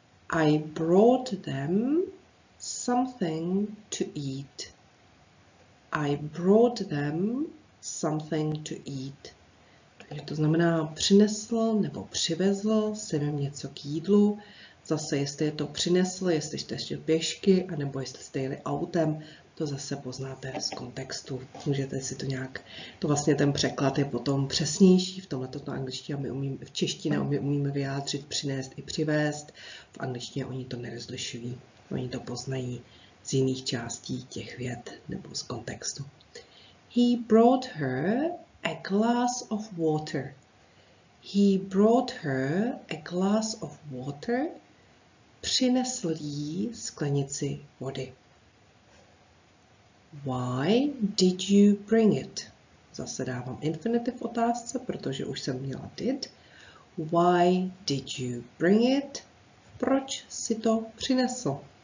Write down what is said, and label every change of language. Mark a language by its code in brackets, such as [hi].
[en] I brought them something to eat. I brought them something to eat. [cs] Takže to znamená přinesl nebo přivezl jsem jim něco k jídlu. Zase jestli je to přinesl, jestli jste šli pěšky, anebo jestli jste jeli autem, to zase poznáte z kontextu. Můžete si to nějak, to vlastně ten překlad je potom přesnější v tomhle toto angličtině, v češtině my umíme vyjádřit přinést i přivést. V angličtině oni to nerozlišují, oni to poznají z jiných částí těch vět nebo z kontextu. [en] He brought her a glass of water. He brought her a glass of water. [cs] Přinesl jí sklenici vody. [en] Why did you bring it? [cs] Zase dávám infinitiv otázce, protože už jsem měla did. [en] Why did you bring it? [cs] Proč si to přinesl?